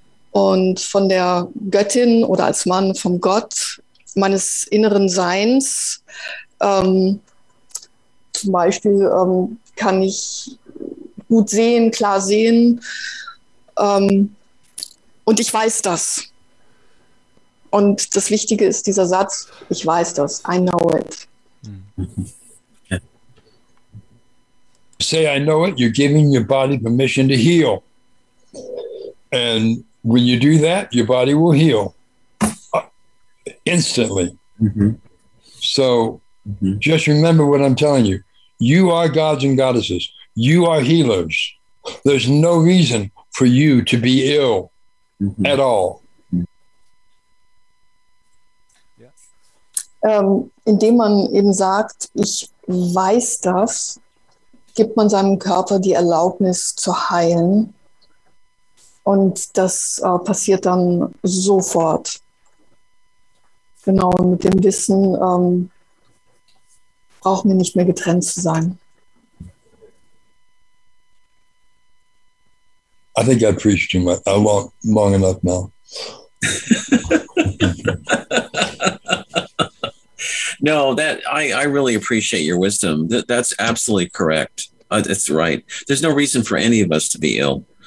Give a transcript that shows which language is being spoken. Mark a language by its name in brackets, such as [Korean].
[German] Und von der Göttin oder als Mann vom Gott meines inneren Seins, zum Beispiel kann ich gut sehen, klar sehen. Und ich weiß das. Und das Wichtige ist dieser Satz, ich weiß das, [English] I know it. Say I know it, you're giving your body permission to heal. And when you do that, your body will heal instantly. Mm-hmm. So mm-hmm. Just remember what I'm telling you. You are gods and goddesses. You are healers. There's no reason for you to be ill mm-hmm. at all. Yeah. [German] Indem man eben sagt, ich weiß das, gibt man seinem Körper die Erlaubnis zu heilen. Und das passiert dann sofort. Genau, mit dem Wissen brauchen wir nicht mehr getrennt zu sein. [English] I think I preached too much. Long enough now. No, that I really appreciate your wisdom. That's absolutely correct. That's right. There's no reason for any of us to be ill.